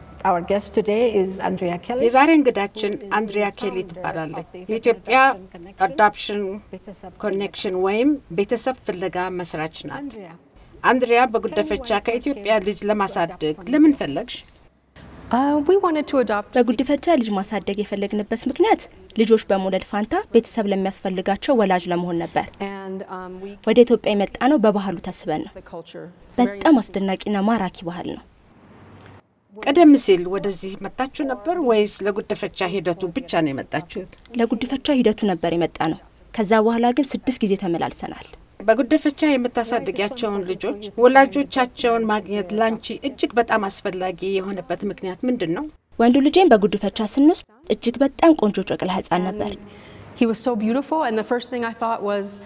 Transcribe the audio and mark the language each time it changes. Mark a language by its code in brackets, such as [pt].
[en] Our guest today is Andrea Kelly. [am] የዛሬ እንግዳችን አንድሪያ ኬሊ ትባላለች። የኢትዮጵያ አዳፕሽን ኮኔክሽን ወይም ቤተሰብ ፍለጋ መስራች ናት። አንድሪያ በጉደፈቻ ከኢትዮጵያ ልጅ ለማሳደግ ለምን ፈለግሽ? [en] We wanted to adopt. [am] በጉደፈቻ ልጅ ማሳደግ የፈለግንበት ምክንያት ልጆች በመውለድ ፋንታ ቤተሰብ ለሚያስፈልጋቸው ወላጅ ለመሆን ነበር። ወደ ኢትዮጵያ የመጣ ነው በባህሉ ተስበን ነው። በጣም አስደናቂና ማራኪ ባህል ነው። ቀደም ሲል ወደዚህ መጣችሁ ነበር ወይስ ለጉደፈቻ ሂደቱ ብቻ ነው የመጣችሁት? ለጉደፈቻ ሂደቱ ነበር የመጣ ነው። ከዛ በኋላ ግን 6 ጊዜ ተመላልሰናል። በጉደፈቻ የምታሳድጋቸውን ልጆች ወላጆቻቸውን ማግኘት ላንቺ እጅግ በጣም አስፈላጊ የሆነበት ምክንያት ምንድን ነው? ወንዱ ልጄን በጉደፈቻ ስንወስድ እጅግ በጣም ቆንጆ ጨቅላ ህፃን ነበር። [en] He was so beautiful and the first thing I thought was